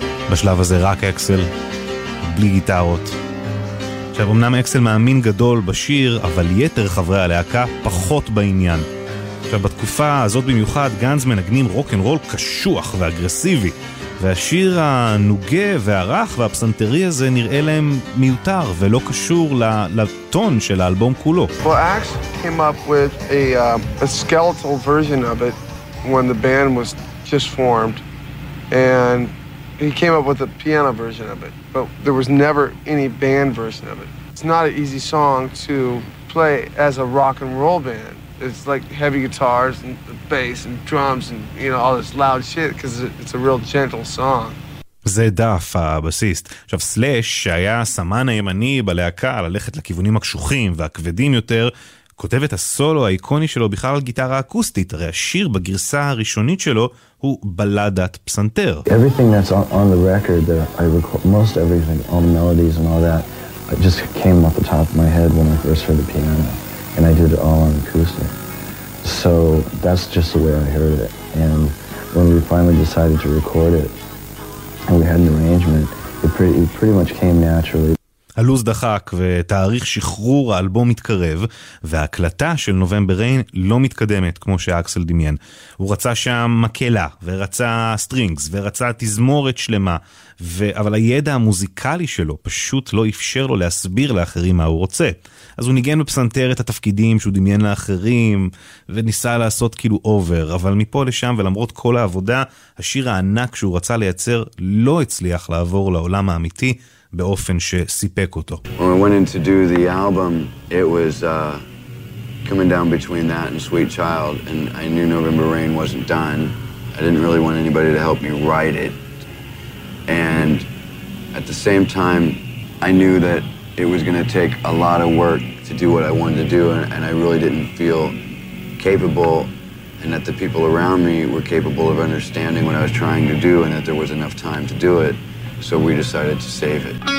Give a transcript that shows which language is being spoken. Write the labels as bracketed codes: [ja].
[he] בשלב הזה רק אקסל, בלי גיטרות. עכשיו, אמנם אקסל מאמין גדול בשיר, אבל יתר חברי הלהקה פחות בעניין. עכשיו, בתקופה הזאת במיוחד, גאנז מנגנים רוק אנד רול קשוח ואגרסיבי, והשיר הנוגה והרך והפסנתרי הזה נראה להם מיותר ולא קשור לטון של האלבום כולו. [en] Well, Axe came up with a skeletal version of it when the band was just formed, and he came up with a piano version of it, but there was never any band version of it. It's not an easy song to play as a rock and roll band. It's like heavy guitars and bass and drums and, you know, all this loud shit, because it's a real gentle song. [he] זה דף הבסיסט. עכשיו, סלש, שהיה סמן הימני בלהקה ללכת לכיוונים הקשוחים והכבדים יותר, כותב את הסולו האיקוני שלו בכלל על גיטרה אקוסטית. הרי השיר בגרסה הראשונית שלו הוא בלדת פסנתר. [en] Everything that's on the record that I record, most everything, all the melodies and all that, it just came off the top of my head when I first heard the piano, and I did it all on acoustic. So that's just the way I heard it. And when we finally decided to record it, and we had an arrangement, it pretty much came naturally. [he] הלוז דחק ותאריך שחרור האלבום מתקרב, וההקלטה של November Rain לא מתקדמת כמו שאקסל דמיין. הוא רצה שם מקלה, ורצה סטרינגס, ורצה תזמורת שלמה, אבל הידע המוזיקלי שלו פשוט לא אפשר לו להסביר לאחרים מה הוא רוצה. אז הוא ניגן בפסנתר את התפקידים שהוא דמיין לאחרים, וניסה לעשות כאילו אובר, אבל מפה לשם ולמרות כל העבודה, השיר הענק שהוא רצה לייצר לא הצליח לעבור לעולם האמיתי, באופן שסיפק אותו. [en] When we went in to do the album, it was coming down between that and Sweet Child, and I knew November Rain wasn't done. I didn't really want anybody to help me write it. And at the same time, I knew that it was going to take a lot of work to do what I wanted to do, and I really didn't feel capable, and that the people around me were capable of understanding what I was trying to do, and that there was enough time to do it, so we decided to save it.